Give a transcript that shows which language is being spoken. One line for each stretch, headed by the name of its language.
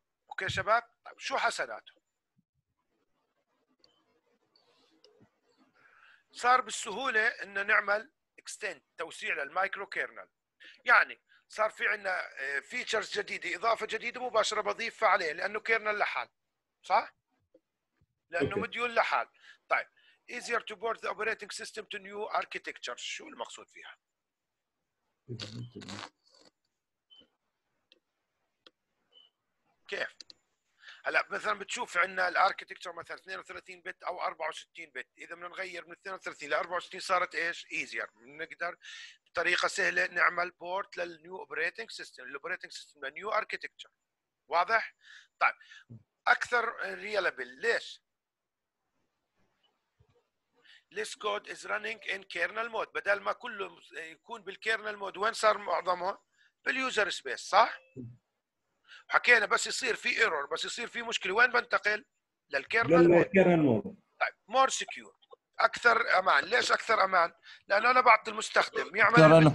Arabic: اوكي شباب، طيب شو حسناته؟ صار بالسهوله انه نعمل اكستند، توسيع للمايكرو كيرنل، يعني صار في عندنا فيتشرز جديده، اضافه جديده مباشره بضيفها عليه لانه كيرنل لحال، صح؟ لانه مديول لحال. طيب
English: easier to port the operating system to new architecture.
Arabic: شو المقصود فيها؟ كيف؟ هلا مثلا بتشوف عندنا الاركتكتشر مثلا 32 بت او 64 بت، اذا بدنا نغير من 32 ل 64 صارت ايش؟ ايزير، بنقدر بطريقه سهله نعمل بورت للنيو اوبريتنج سيستم، الاوبريتنج سيستم للنيو اركتكتشر. واضح؟ طيب اكثر ريلابل ليش؟
English: This code is running in kernel mode.
Arabic: بدل ما كله يكون بالكيرنل مود، وين صار معظمه؟ باليوزر سبيس، صح؟ حكينا بس يصير في ايرور، بس يصير في مشكله، وين بنتقل؟ للكيرنل مود. طيب مور سكيور، اكثر امان. ليش اكثر امان؟ لانه انا بعطي المستخدم يعمل